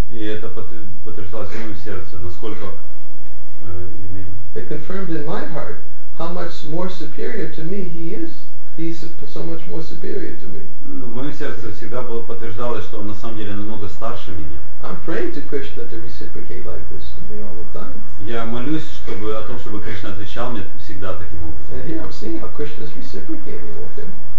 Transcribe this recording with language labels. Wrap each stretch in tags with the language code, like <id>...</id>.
<ru>И это подтверждалось в моем сердце, насколько.</ru> <en>It confirmed in my heart how much more superior to me he is. He's so much more superior to me.</en> <ru>Ну, в моем сердце всегда было подтверждалось, что он на самом деле намного старше меня.</ru> <en>I'm praying to Krishna to reciprocate like this to me all the time.</en> <ru>Я молюсь, чтобы о том, чтобы Кришна отвечал мне всегда таким образом.</ru> <en>And here I'm seeing how Krishna is reciprocating with him.</en>